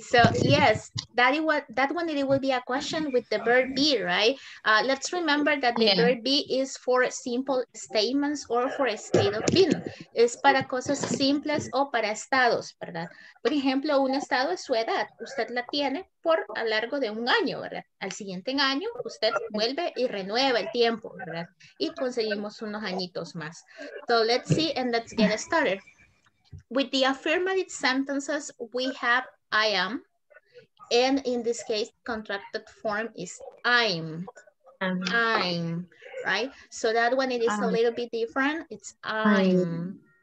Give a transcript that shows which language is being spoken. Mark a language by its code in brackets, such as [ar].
[en] So, yes, that one will be a question with the verb be, right? Let's remember that the verb be is for simple statements or for a state of being. [es] Es para cosas simples o para estados, ¿verdad? Por ejemplo, un estado es su edad. Usted la tiene por a largo de un año, ¿verdad? Al siguiente año, usted vuelve y renueva el tiempo, ¿verdad? Y conseguimos unos añitos más. [en] So, let's see and let's get started. With the affirmative sentences, we have I am, and in this case, contracted form is I'm, right? So that one, it is a little bit different. It's I'm.